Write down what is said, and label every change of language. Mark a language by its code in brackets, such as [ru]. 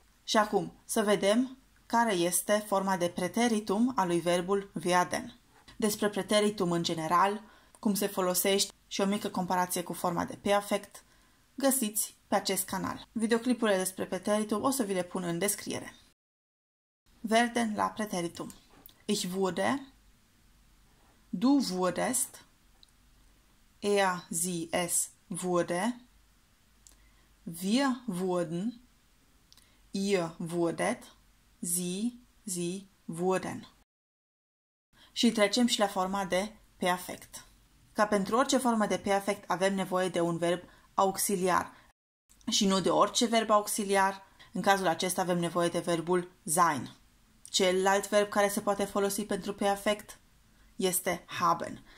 [ro] Și acum, să vedem care este forma de preteritum a lui verbul werden. Despre preteritum în general, cum se folosește și o mică comparație cu forma de perfect, găsiți pe acest canal. Videoclipurile despre preteritum o să vi le pun în descriere. Werden la preteritum. [de] Ich wurde, du wurdest, er, sie, es wurde, wir wurden, ihr wurdet, sie wurden. [ro] Și trecem și la forma de perfect. Ca pentru orice formă de perfect avem nevoie de un verb auxiliar. Și nu de orice verb auxiliar, în cazul acesta avem nevoie de verbul sein. Celălalt verb care se poate folosi pentru perfect este haben.